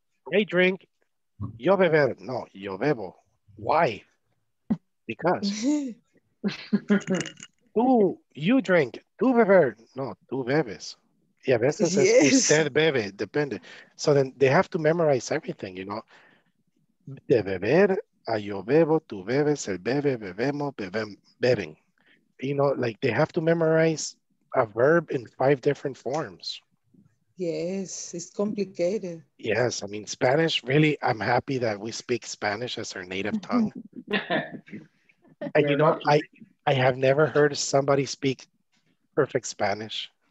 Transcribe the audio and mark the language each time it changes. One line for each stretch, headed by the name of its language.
English: They drink.
Spanish: Yo beber, no, yo bebo.
English: Why? Because. you drink,
Spanish: tú beber, no, tú bebes. Y a veces yes. Usted bebe, depende.
English: So then they have to memorize everything, you know.
Spanish: De beber, a yo bebo, tú bebes, el bebe, bebemos, beben.
English: You know, like they have to memorize a verb in 5 different forms. Yes, it's complicated. Yes, I mean, Spanish, really, I'm happy that we speak Spanish as our native tongue. And you know, I have never heard somebody speak perfect Spanish.